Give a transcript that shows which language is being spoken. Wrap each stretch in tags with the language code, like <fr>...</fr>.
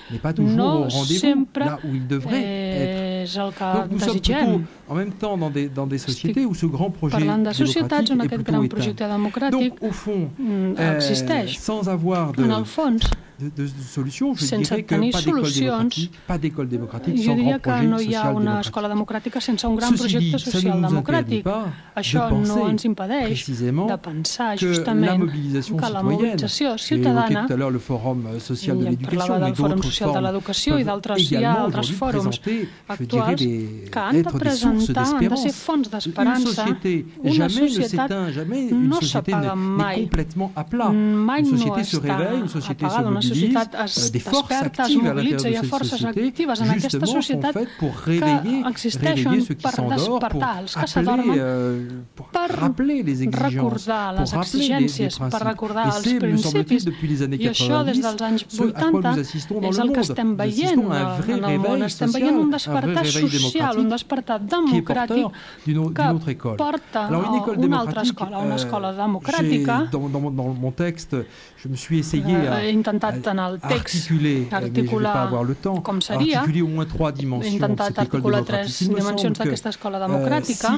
<fr>n'est pas toujours au rendez-vous là où il devrait être. Donc nous sommes plutôt en même temps dans des sociétés où ce grand projet démocratique est plutôt éteint. Donc au fond, sans avoir de solutions, je dirais que pas d'école démocratique sans grand projet social démocratique.</fr> <ca>Jo diria que no hi ha una escola democràtica sense un gran projecte social democràtic. Això no ens impedeix de pensar justament que la mobilització ciutadana, le fòrum social de l'educació i d'altres fòrums, hi ha altres fòrums actuals que han de presentar, han de ser fonts d'esperança. Una societat</ca> <fr>jamais ne s'éteint, jamais une société n'est complètement à plat. Une société se réveille, une société se mobilise.</fr> <ca>La societat desperta, es mobilitza, hi ha forces actives en aquesta societat que existeixen per despertar els que s'adormen, per recordar les exigències, per recordar els principis. I això, des dels anys 80, és el que estem veient en el món. Estem veient un despertar social, un despertar democràtic que porta a una altra escola, una escola democràtica.</ca> <fr>Dans mon texte, je me suis essayé à</fr> <ca>en el text articular</ca> <fr>au moins trois dimensions de cette école</fr> <ca>d'aquesta escola democràtica.</ca>